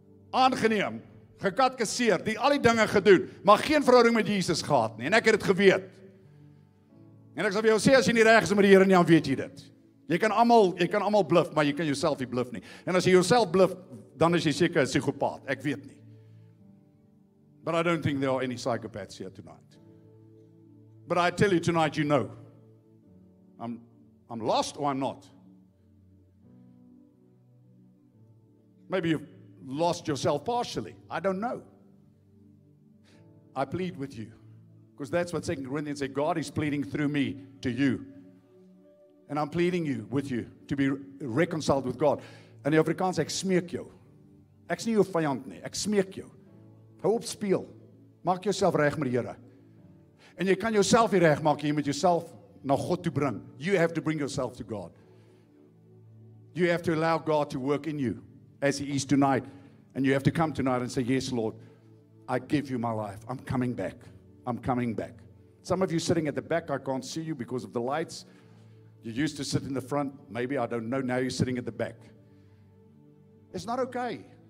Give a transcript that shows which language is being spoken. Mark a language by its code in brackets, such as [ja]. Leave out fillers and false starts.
[af] Aangeneem, gekatkeseer, die al die dinge gedoen, maar geen verhouding met Jesus gehad nie. En ek het dit geweet. En ek sal vir jou sê, as jy nie reg is met die Here nie, dan weet jy dit. Jy kan almal bluf, maar jy kan jouself nie bluf nie. En as jy jouself bluf, dan is jy seker 'n psigopaat. Ek weet nie. [en] But I don't think there are any psychopaths here tonight. But I tell you tonight, you know. I'm lost or I'm not. Maybe you've lost yourself partially. I don't know. I plead with you. Because that's what 2 Corinthians said. God is pleading through me to you. And I'm pleading you with you to be reconciled with God. And the Afrikaans, [af] ek smeek jou. Ek sien jou vyand nie. Ek smeek jou. Hou op speel. Maak jouself reg met die Here. En jy kan jouself nie reg maak. Jy moet jouself na God toe bring. [en] You have to bring yourself to God. You have to allow God to work in you. As He is tonight, and you have to come tonight and say, yes, Lord, I give You my life. I'm coming back. I'm coming back. Some of you sitting at the back, I can't see you because of the lights. You used to sit in the front. Maybe, I don't know. Now you're sitting at the back. It's not okay.